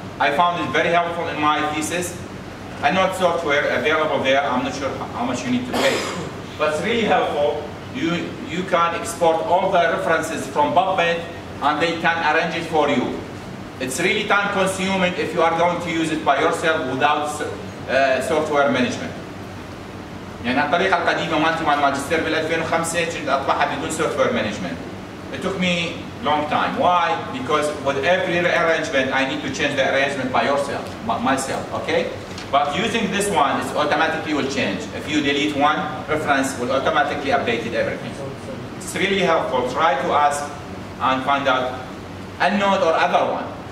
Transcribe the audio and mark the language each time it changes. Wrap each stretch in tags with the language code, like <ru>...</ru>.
<en>I found it very helpful in my thesis. I know it's software available there, I'm not sure how much you need to pay. But it's really helpful, you can export all the references from PubMed and they can arrange it for you. It's really time consuming if you are going to use it by yourself without software management.</en> <ar>يعني الطريقة القديمة مالتي مع الماجستير بال 2005 كنت اطبعها بدون software management.</ar> <en>It took me long time. Why? Because with every arrangement, I need to change the arrangement by yourself, myself, okay? But using this one, it automatically will change. If you delete one, reference will automatically update it everything. It's really helpful. Try to ask and find out EndNote or other one.</en>